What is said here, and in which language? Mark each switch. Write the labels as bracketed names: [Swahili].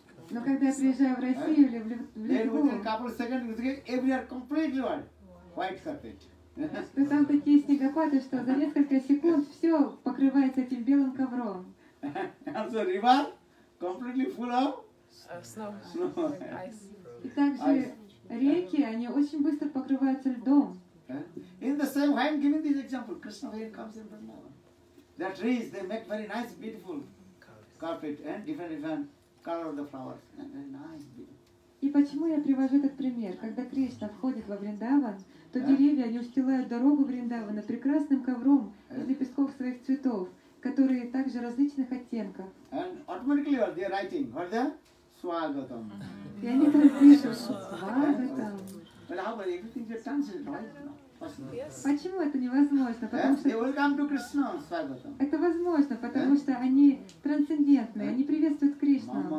[Russian] Но когда я приезжаю в Россию или в Литву, [English] then couple seconds you get everywhere completely white carpet. [Russian] То там такие снегопады, что за несколько секунд все покрывается этим белым ковром. [English] Also river completely full of snow. [Russian] И также реки, они очень быстро покрываются льдом. [English] In the same way, I'm giving this example. Krishna here comes in Vrindavan. The trees, they make very nice, beautiful carpet and different color of the flowers. And very nice, beautiful. [Russian] И И почему я привожу этот пример? Когда Кришна входит во Вриндаван, то деревья, они устилают дорогу Вриндавана прекрасным ковром из лепестков своих цветов, которые также различных оттенков. [English] And automatically they are writing, what is that? [Russian] Свагатам. И они там пишут, свагатам. [English] Well, how about everything is translated, right? Yes. [Russian] Почему это невозможно? Потому что [English] they will come to Krishna, Swagatam. [Russian] Это возможно, потому что они трансцендентны, они приветствуют Кришну.